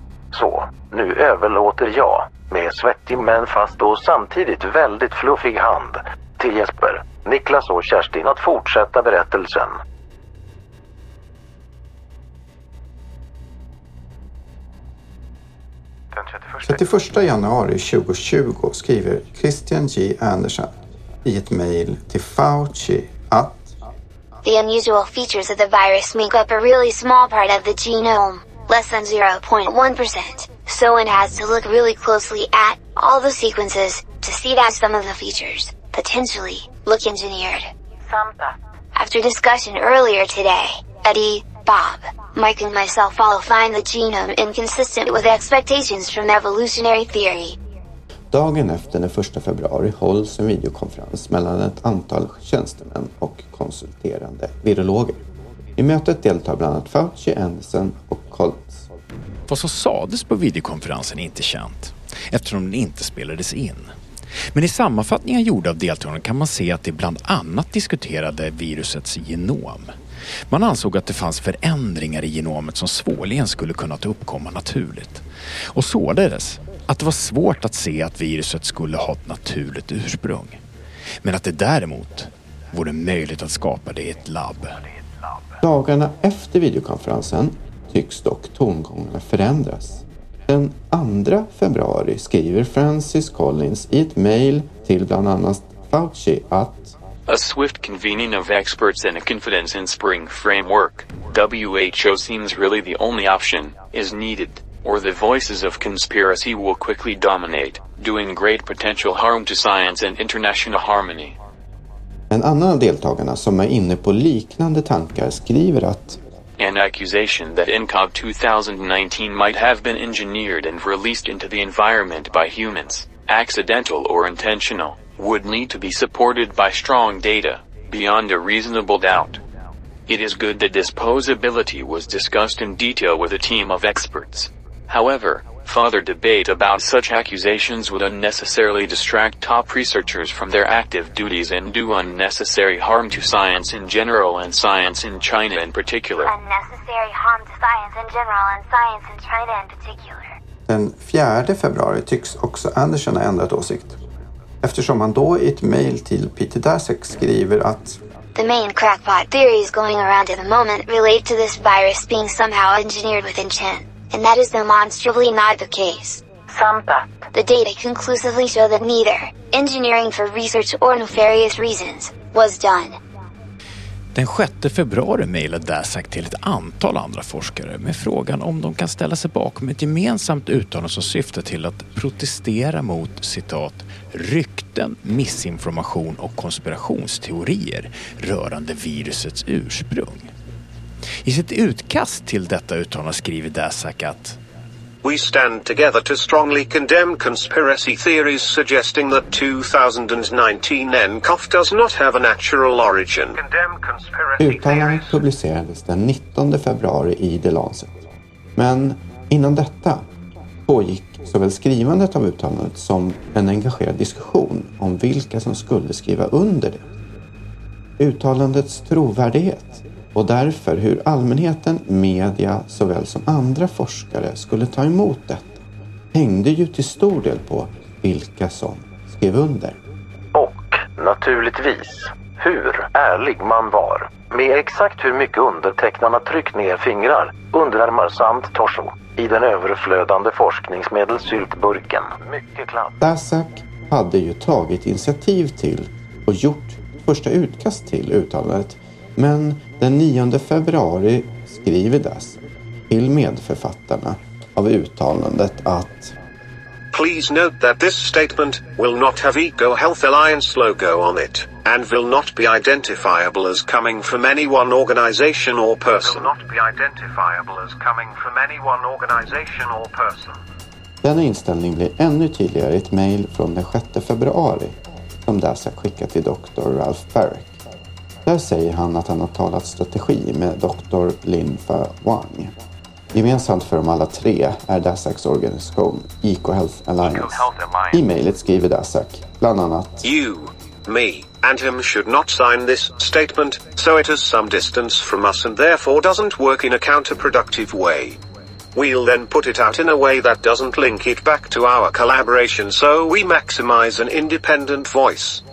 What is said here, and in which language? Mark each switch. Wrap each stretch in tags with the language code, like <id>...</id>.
<sv>Så, nu överlåter jag, med svettig men fast och samtidigt väldigt fluffig hand, till Jesper, Niklas och Kerstin att fortsätta berättelsen. Den 31 januari 2020 skriver Christian G. Andersen i ett mejl till Fauci att</sv> <en>the unusual features of the virus make up a really small part of the genome, less than 0.1%. So one has to look really closely at all the sequences to see that some of the features potentially look engineered. After discussion earlier today, Eddie, Bob, Mike and myself all find the genome inconsistent with expectations from evolutionary theory.</en> <sv>Dagen efter den 1 februari hålls en videokonferens mellan ett antal tjänstemän och konsulterande virologer. I mötet deltar bland annat Fauci, Andersen och Collins. Vad som sades på videokonferensen är inte känt, eftersom den inte spelades in. Men i sammanfattningen gjord av deltagarna kan man se att det bland annat diskuterade virusets genom. Man ansåg att det fanns förändringar i genomet som svårligen skulle kunna uppkomma naturligt. Och således att det var svårt att se att viruset skulle ha ett naturligt ursprung. Men att det däremot vore möjligt att skapa det i ett labb. Dagarna efter videokonferensen tycks dock tongångarna förändras. Den 2 februari skriver Francis Collins i ett mejl till bland annat Fauci att</sv> <en>a swift convening of experts and a confidence in spring framework, WHO seems really the only option, is needed. or the voices of conspiracy will quickly dominate, doing great potential harm to science and international harmony.</en> <sv>En annan av deltagarna som är inne på liknande tankar skriver att</sv> <en>an accusation that NCOV 2019 might have been engineered and released into the environment by humans, accidental or intentional, would need to be supported by strong data, beyond a reasonable doubt. It is good that disposability was discussed in detail with a team of experts. However, further debate about such accusations would unnecessarily distract top researchers from their active duties and do unnecessary harm to science in general and science in China in particular. Unnecessary harm to science in general and science in China in particular.</en> <sv>Den 4 februari tycks också Andersen ha ändrat åsikt. Eftersom han då i ett mejl till Peter Daszak skriver att</sv> <en>the main crackpot theories going around at the moment relate to this virus being somehow engineered with intent. And that is demonstrably not the case. The data conclusively show that neither engineering for research or nefarious reasons was done.</en> <sv>Den 6 februari mejlade Daszak till ett antal andra forskare med frågan om de kan ställa sig bakom ett gemensamt uttalande som syftar till att protestera mot, citat, rykten, misinformation och konspirationsteorier rörande virusets ursprung. I sitt utkast till detta uttalande skriver Daszak att</sv> <en>we stand together to strongly condemn conspiracy theories suggesting that 2019 NCOV does not have a natural origin.</en> <sv>Uttalandet publicerades den 19 februari i The Lancet. Men innan detta pågick såväl skrivandet av uttalandet som en engagerad diskussion om vilka som skulle skriva under det. Uttalandets trovärdighet och därför hur allmänheten, media såväl som andra forskare skulle ta emot detta hängde ju till stor del på vilka som skrev under. Och naturligtvis hur ärlig man var med exakt hur mycket undertecknarna tryckt ner fingrar, underarmar samt torso i den överflödande forskningsmedelsyltburken. Mycket klart. Daszak hade ju tagit initiativ till och gjort första utkast till uttalandet. Men den 9 februari skriver Das till medförfattarna av uttalandet att</sv> <en>please note that this statement will not have Eco Health Alliance logo on it and will not be identifiable as coming from any one organization or person. Will not be identifiable as coming from any one organization or person.</en> <sv>Denna inställning blir ännu tydligare i ett mejl från den 6 februari som Das har skickat till Dr. Ralph Barrick. Där säger han att han har talat strategi med Dr. Linfa Wang. Gemensamt för dem alla tre är Daszaks organisation Eco Health Alliance. I mejlet skriver Daszak bland annat</sv> <en>you, me and him should not sign this statement, so it has some distance from us and therefore doesn't work in a counterproductive way. We'll then put it out in a way that doesn't link it back to our collaboration, so we maximize an independent voice.</en>